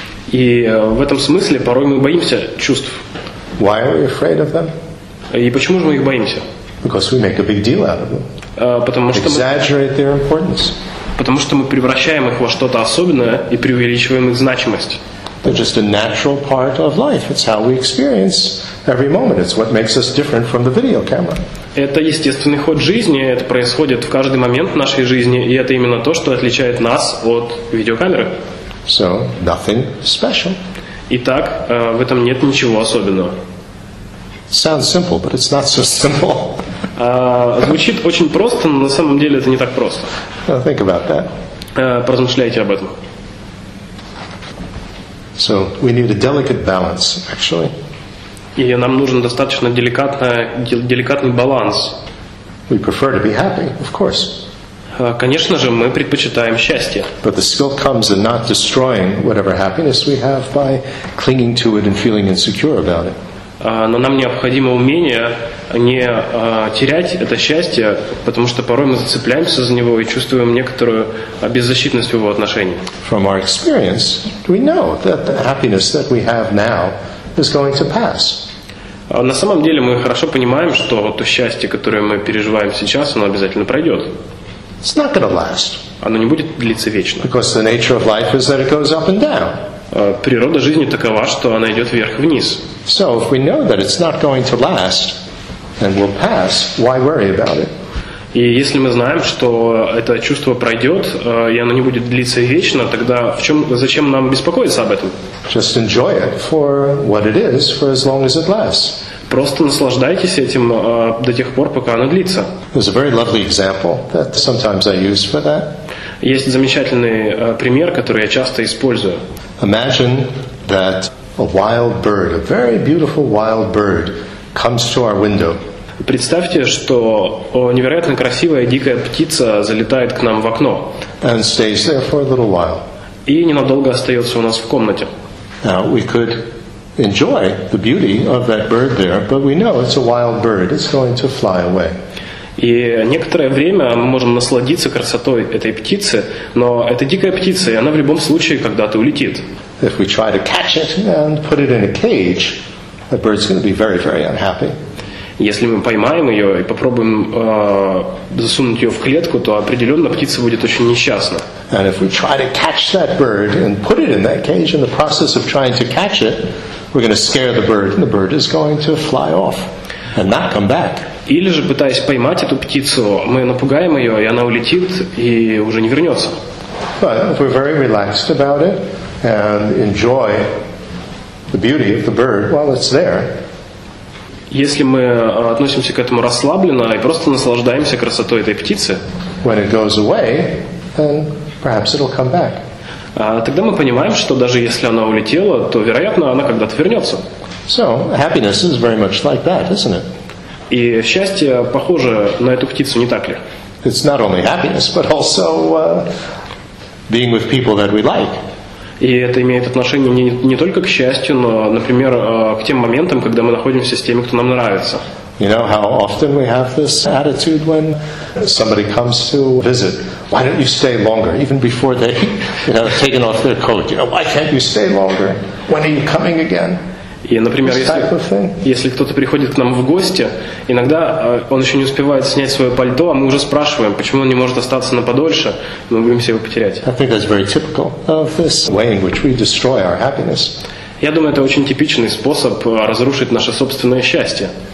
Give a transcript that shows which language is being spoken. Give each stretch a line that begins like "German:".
Russian: И в этом смысле порой мы боимся чувств.
English: Why are we afraid of them?
Russian: И почему же мы их боимся?
English: Because we make a big deal out of them. Exaggerate their importance.
Russian: Потому что мы превращаем их во что-то особенное и преувеличиваем их значимость.
English: They're just a natural part of life. It's how we experience every moment. It's what makes us different from the video camera.
Russian: Это естественный ход жизни. Это происходит в каждый момент нашей жизни, и это именно то, что отличает нас от видеокамеры.
English: So nothing special.
Russian: Итак, в этом нет ничего особенного.
English: Sounds simple, but it's not so simple.
Russian: Звучит очень просто, но на самом деле это не так просто.
English: Think about that.
Russian: Поразмышляйте об этом.
English: So we need a delicate balance, actually.
Russian: И нам нужен достаточно деликатный баланс.
English: We prefer to be happy, of course.
Russian: Конечно же, мы предпочитаем счастье.
English: But the skill comes in not destroying whatever happiness we have by clinging to it and feeling insecure about it.
Russian: Но нам необходимо умение не терять это счастье, потому что порой мы зацепляемся за него и чувствуем некоторую беззащитность в его отношении.
English: From our experience, we know that the happiness that we have now is going to pass.
Russian: На самом деле мы хорошо понимаем, что то счастье, которое мы переживаем сейчас, оно обязательно пройдет.
English: It's not going to last.
Russian: Оно не будет длиться вечно.
English: Because the nature of life is that it goes up and down.
Russian: Природа жизни такова, что она идет вверх-вниз.
English: So if we know that it's not going to last and will pass, why worry about it?
Russian: И если мы знаем, что это чувство пройдет, и оно не будет длиться вечно, тогда зачем нам беспокоиться об этом?
English: Just enjoy it for what it is, for as long as it lasts.
Russian: Просто наслаждайтесь этим до тех пор, пока оно длится.
English: There's a very lovely example that sometimes I use for that.
Russian: Есть замечательный пример, который я часто использую.
English: Imagine that a wild bird, a very beautiful wild bird, comes to our window.
Russian: Представьте, что невероятно красивая дикая птица залетает к нам в окно.
English: And stays there for a little while.
Russian: И ненадолго остается у нас в комнате.
English: Now we could enjoy the beauty of that bird there, but we know it's a wild bird. It's going to fly away.
Russian: И некоторое время мы можем насладиться красотой этой птицы, но это дикая птица, и она в любом случае когда-то улетит.
English: If we try to catch it and put it in a cage, the bird's going to be very, very unhappy.
Russian: Если мы поймаем ее и попробуем засунуть ее в клетку, то определенно птица будет очень несчастна.
English: And if we try to catch that bird and put it in that cage, in the process of trying to catch it, we're going to scare the bird, and the bird is going to fly off and not come back.
Russian: Или же, пытаясь поймать эту птицу, мы напугаем ее, и она улетит и уже не вернется.
English: But if we're very relaxed about it and enjoy the beauty of the bird while it's there.
Russian: Если мы относимся к этому расслабленно и просто наслаждаемся красотой этой птицы,
English: when it goes away, then perhaps it'll come back.
Russian: Тогда мы понимаем, что даже если она улетела, то, вероятно, она когда-то вернется.
English: So, happiness is very much like that, isn't it?
Russian: И счастье похоже на эту птицу, не так ли?
English: It's not only happiness, but also being with people that we like.
Russian: И это имеет отношение не только к счастью, но, например, к тем моментам, когда мы находимся с теми, кто нам нравится.
English: You know how often we have this attitude when somebody comes to visit why don't you stay longer? Even before they, you know, taken off their coat, you know, why can't you stay longer? When are you coming again?
Russian: И, например, если кто-то приходит к нам в гости, иногда он еще не успевает снять свое пальто, а мы уже спрашиваем, почему он не может остаться на подольше, мы боимся его потерять. Я думаю, это очень типичный способ разрушить наше собственное счастье.